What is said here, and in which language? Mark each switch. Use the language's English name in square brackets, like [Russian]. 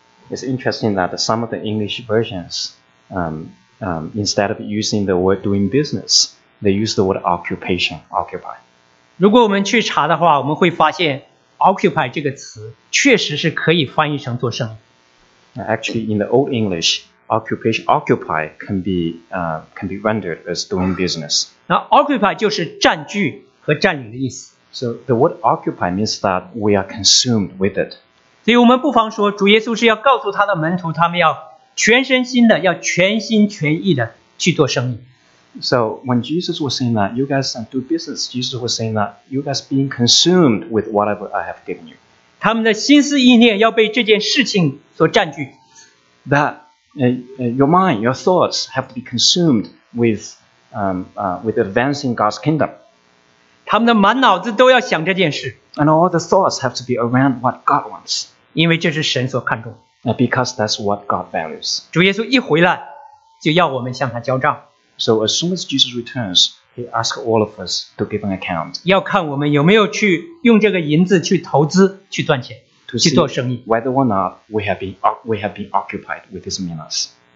[English] It's interesting that some of the English versions, instead of using the word doing business, they use the word occupation, occupy. [Chinese] 如果我们去查的话，我们会发现 occupy 这个词确实是可以翻译成做生意。 [English] Actually, in the old English, occupy can be rendered as doing business. [Chinese] 那 occupy 就是占据和占领的意思。 [English] So the word occupy means that we are consumed with it. [Chinese] 所以我们不妨说，主耶稣是要告诉他的门徒，他们要全身心的，要全心全意的去做生意。 [English] So when Jesus was saying that you guys do business, Jesus was saying that you guys being consumed with whatever I have given you. [Chinese] 他们的心思意念要被这件事情所占据。 [English] That your mind, your thoughts have to be consumed with advancing God's kingdom. [Chinese] 他们的满脑子都要想这件事。 [English] And all the thoughts have to be around what God wants. [Chinese] 因为这是神所看重。 [English] Because that's what God values. [Chinese] 主耶稣一回来就要我们向他交账。 [English] So as soon as Jesus returns, he asks all of us to give an account. [Chinese] 要看我们有没有去用这个银子去投资、去赚钱。 [English] To see whether or not we have been occupied with these minas.